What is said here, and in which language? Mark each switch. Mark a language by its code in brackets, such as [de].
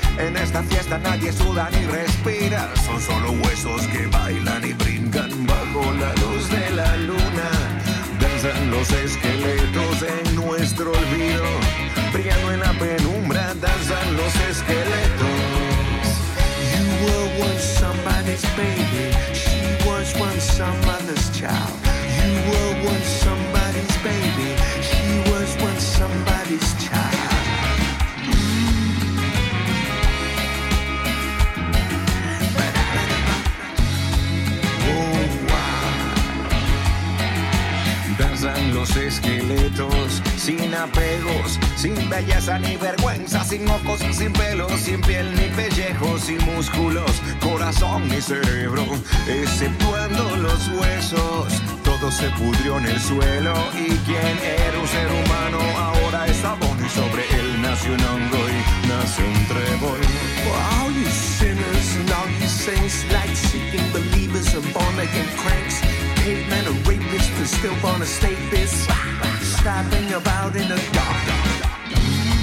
[es] En esta fiesta nadie suda ni respira, son solo huesos que bailan y brincan bajo la luz de la luna. Danzan los esqueletos en nuestro olvido, brillando en la penumbra danzan los esqueletos. [en] You were once somebody's baby, she was once somebody's child. You were once somebody's baby, she was once somebody's child. Mm. Oh, wow. [es] Danzan los esqueletos sin apegos, sin belleza ni vergüenza, sin ojos, sin pelos, sin piel ni pellejos, sin músculos, corazón ni cerebro, exceptuando los huesos. Se pudrió en el suelo. Y quien era un ser humano ahora es abono. Y sobre él nace un hongo y nace un trébol. [en] For all you sinners and all you saints, light-seeking believers and born-again cranks, cavemen and rapists that still wanna stay this, stabbing about in the dark.